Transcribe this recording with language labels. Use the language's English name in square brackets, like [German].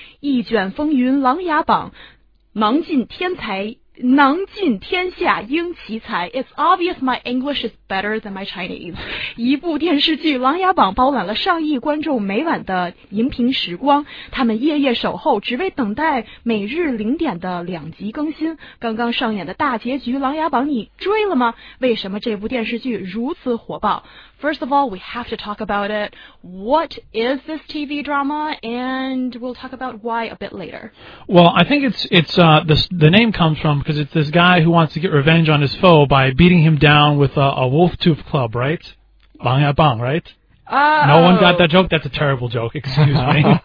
[Chinese] 一卷风云琅琊榜，芒尽天才能尽天下英奇才。 [English] It's obvious my English is better than my Chinese. [Chinese] 一部电视剧《琅琊榜》包揽了上亿观众每晚的荧屏时光，他们夜夜守候，只为等待每日零点的两集更新。刚刚上演的大结局《琅琊榜》，你追了吗？为什么这部电视剧如此火爆？ [English] First of all, we have to talk about it. What is this TV drama? And we'll talk about why a bit later. Well, I think the name comes from because it's this guy who wants to get revenge on his foe by beating him down with a wolf tooth club, right? Bang ya bang, right? No one got that joke? That's a terrible joke, excuse me.